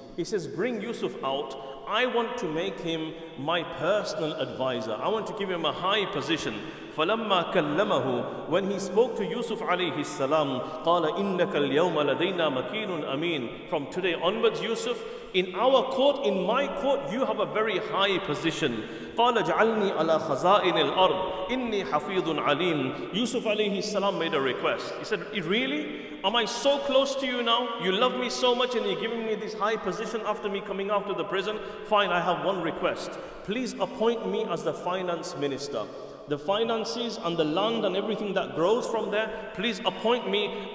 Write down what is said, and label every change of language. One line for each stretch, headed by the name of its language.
English: He says, bring Yusuf out. I want to make him my personal advisor. I want to give him a high position.
Arabic: فَلَمَّا كَلَّمَهُ.
English: When he spoke to Yusuf alayhi salam,
Arabic: قَالَ إِنَّكَ الْيَوْمَ لَدَيْنَا مَكِينٌ أَمِينٌ.
English: From today onwards, Yusuf, in our court, in my court, you have a very high position.
Arabic: قال اجعلني على خزائن الأرض إني حفيظ عليم.
English: Yusuf alayhi salam made a request. He said, really? Am I so close to you now? You love me so much and you're giving me this high position after me coming out of the prison? Fine, I have one request. Please appoint me as the finance minister. The finances and the land and everything that grows from there, please appoint me.